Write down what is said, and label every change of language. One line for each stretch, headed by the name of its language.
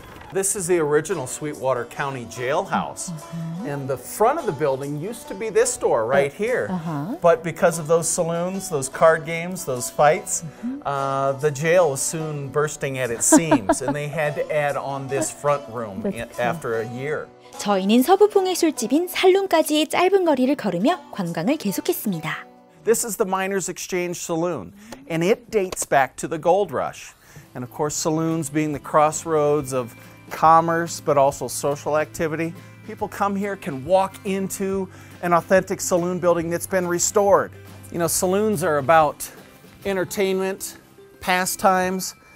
English: This is the original Sweetwater County Jailhouse. Uh-huh. And the front of the building used to be this door right here. Uh-huh. But because of those saloons, those card games, those fights, the jail was soon bursting at its seams. And they had to add on this front room after a year.
Korean: 저희는 서부풍의 술집인 살룬까지의 짧은 거리를 걸으며 관광을 계속했습니다.
English: This is the Miners Exchange Saloon. And it dates back to the Gold Rush. And of course, saloons being the crossroads of commerce, but also social activity. People come here, can walk into an authentic saloon building that's been restored. You know, saloons are about entertainment, pastimes.